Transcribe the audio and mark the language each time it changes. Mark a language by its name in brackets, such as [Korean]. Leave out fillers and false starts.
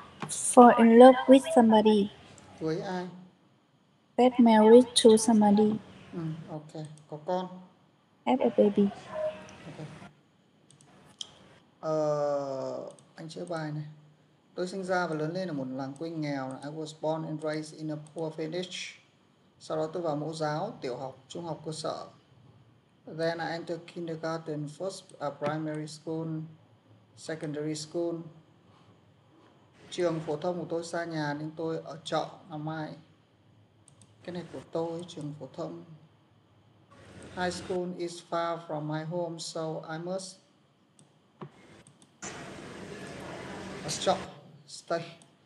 [English] Fall in love with somebody. [Vietnamese] Cưới ai? [English] Get married to somebody. [Vietnamese] Ừ, ok. Có con? [English] Have a baby. [Vietnamese] Okay. Anh chữa bài này. Tôi sinh ra và lớn lên ở một làng quê nghèo. [English] I was born and raised in a poor village. [Vietnamese] Sau đó tôi vào mẫu giáo, tiểu học, trung học cơ sở. [English] Then I entered kindergarten, first primary school, secondary school. [Vietnamese] Trường phổ thông của tôi xa nhà nên tôi ở trọ ngày mai. Cái này của tôi, trường phổ thông. [English] High school is far from my home, so I must trọ, stay.